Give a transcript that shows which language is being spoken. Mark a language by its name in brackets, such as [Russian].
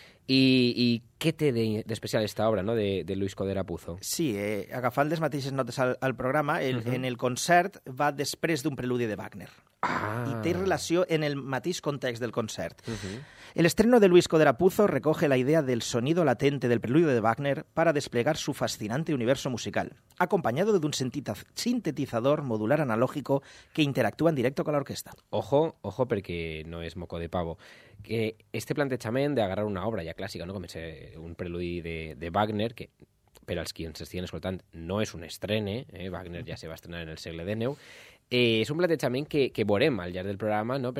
[Catalan] I què té d'especial esta obra, no?, de Luis Codera Puzo? Sí, agafant les mateixes notes al programa, en el concert va després d'un preludi de Wagner. Y té relació en el mateix context del concert. [Spanish] El estreno de Luis Codrapuzo recoge la idea del sonido latente del preludio de Wagner para desplegar su fascinante universo musical, acompañado de un sintetizador modular analógico que interactúa en directo con la orquesta. [Catalan] Ojo, ojo, perquè no és [Spanish] moco de pavo. [Catalan] Que este plantejament d'agarrar una obra ja clàssica, no? Com és un preludi de Wagner, que per als qui ens estiguen escoltant no és un estrene, Wagner ja se va estrenar en el segle XIX, és un plantejament que veurem al llarg del programa, no?